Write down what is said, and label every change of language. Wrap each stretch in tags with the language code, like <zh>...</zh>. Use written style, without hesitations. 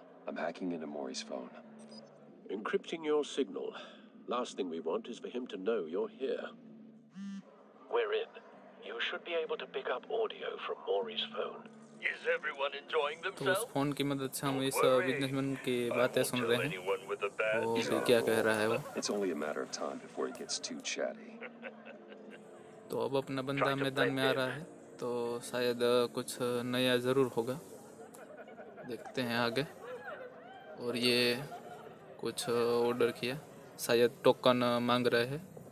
<en>I'm hacking into Maury's phone. Encrypting your signal. Last thing we want is for him to know you're here. We're in. You should be able to pick up audio from Maury's phone. Is everyone enjoying themselves?</en> <hi>तो phone की मदद से हम इस businessman की बातें सुन रहे हैं. वो क्या कह रहा है वो?</hi> <en>It's only a matter of time before he gets too chatty.</en> <hi>तो अब अपना बंदा मैदान में आ रहा है. तो शायद कुछ नया जरूर होगा. देखते हैं आगे. और ये कुछ ऑर्डर किया शायद टोकन मांग रहे हैं.</hi>